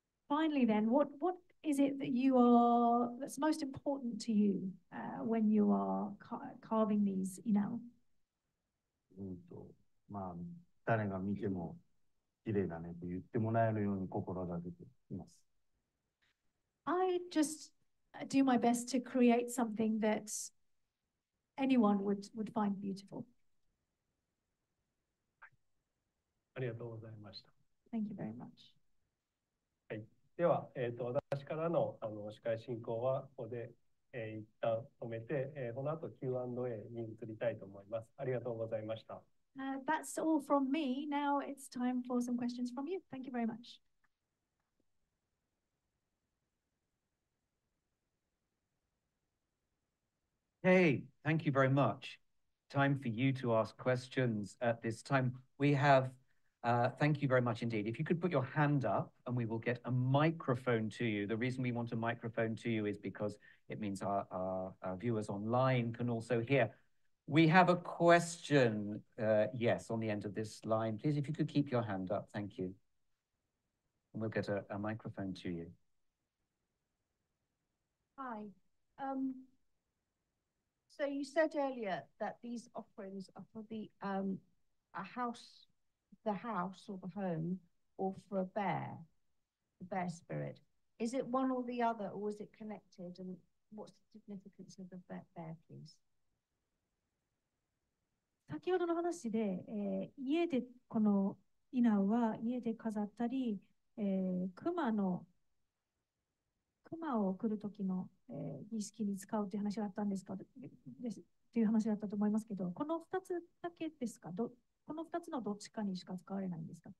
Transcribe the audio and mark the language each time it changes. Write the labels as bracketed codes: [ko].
[en] Finally, then, what is it that you are that's most important to you, when you are carving these inaw? [ja] まあ誰が見ても綺麗だねと言ってもらえるように心がけています。 [en] I just do my best to create something that anyone would find beautiful. [ja] ありがとうございました。 [en] Thank you very much. [ja] では、私からの、司会進行はここで、一旦止めて、この後 Q&A に移りたいと思います。ありがとうございました。 [en] That's all from me. Now it's time for some questions from you. Thank you very much. Hey, thank you very much. Time for you to ask questions at this time. We haveThank you very much indeed. If you could put your hand up and we will get a microphone to you. The reason we want a microphone to you is because it means our viewers online can also hear. We have a question, yes, on the end of this line. Please, if you could keep your hand up, thank you. And we'll get a microphone to you. Hi. So you said earlier that these offerings are for the, a house... the house or the home, or for the bear spirit. Is it one or the other, or is it connected? And what's the significance of the bear, please? [ja] 先ほどの話で、家でこの稲は家で飾ったり、熊を送る時の、儀式に使うという話があったんですか、です、という話だったと思いますけど、この2つだけですか、この2つのどっちかにしか使われないんですか。